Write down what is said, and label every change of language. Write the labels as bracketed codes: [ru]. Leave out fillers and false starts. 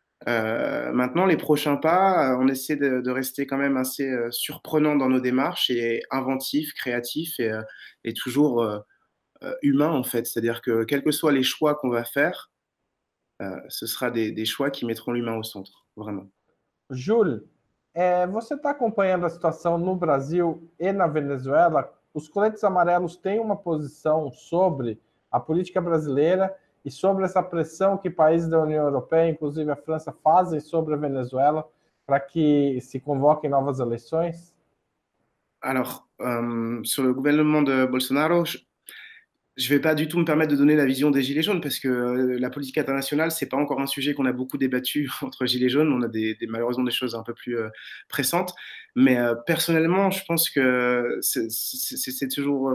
[fr] Maintenant, les prochains pas, on essaie de rester quand même assez surprenant dans nos démarches et inventif, créatif et toujours. Humain en fait, c'est-à-dire que quels que soient les choix qu'on va faire, ce sera des choix qui mettront l'humain au centre, vraiment. [pt] Júlio, você está acompanhando a situação no Brasil e na Venezuela? Os coletes amarelos têm uma posição sobre a política brasileira e sobre essa pressão que países da União Europeia, inclusive a França, fazem sobre a Venezuela para que se convoquem novas eleições? [fr] Alors, sur le gouvernement de Bolsonaro, je ne vais pas du tout me permettre de donner la vision des Gilets jaunes parce que la politique internationale, ce n'est pas encore un sujet qu'on a beaucoup débattu entre Gilets jaunes. On a malheureusement des choses un peu plus pressantes. Mais personnellement, je pense que c'est toujours.